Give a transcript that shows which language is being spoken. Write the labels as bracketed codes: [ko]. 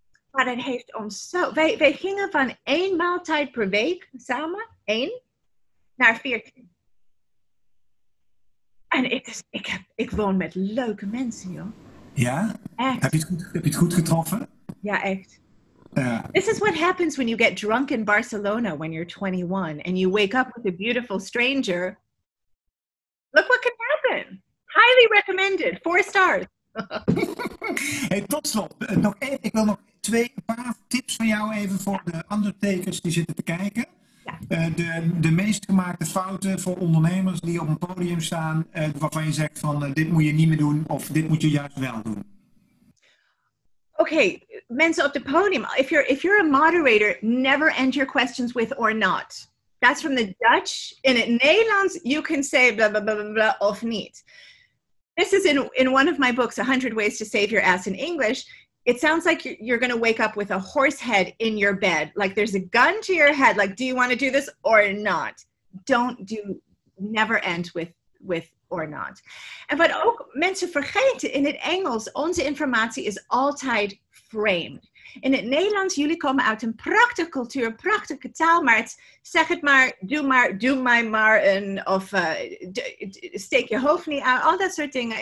[nl] Maar dat heeft ons zo. Wij gingen van 1 maaltijd per week samen, 1, naar 14. En ik woon met leuke mensen, joh. Ja? Echt. Heb je het goed getroffen? Ja, echt. [en] This is what happens when you get drunk in Barcelona when you're 21 and you wake up with a beautiful stranger. Look what can happen. Highly recommended. 4 stars. [nl] Hey, tot slot. Ik wil nog 2 paar tips van jou even voor de undertakers die zitten te kijken. Ja. De meest gemaakte fouten voor ondernemers die op een podium staan, waarvan je zegt van dit moet je niet meer doen of dit moet je juist wel doen. [en] Okay, [nl] mensen op de podium, [en] if you're a moderator, never end your questions with or not. That's from the Dutch. [nl] In het Nederlands, [en] you can say blah, blah, blah, blah, blah, [nl] of niet. [en] This is in one of my books, 100 Ways to Save Your Ass in English. It sounds like you're going to wake up with a horse head in your bed. Like there's a gun to your head. Like, do you want to do this or not? Never end with or not. And but [nl] ook mensen vergeten, in het Engels, onze informatie is altijd framed. In het Nederlands, jullie komen uit een prachtige cultuur, een prachtige taal, maar steek je hoofd niet aan, al dat soort dingen.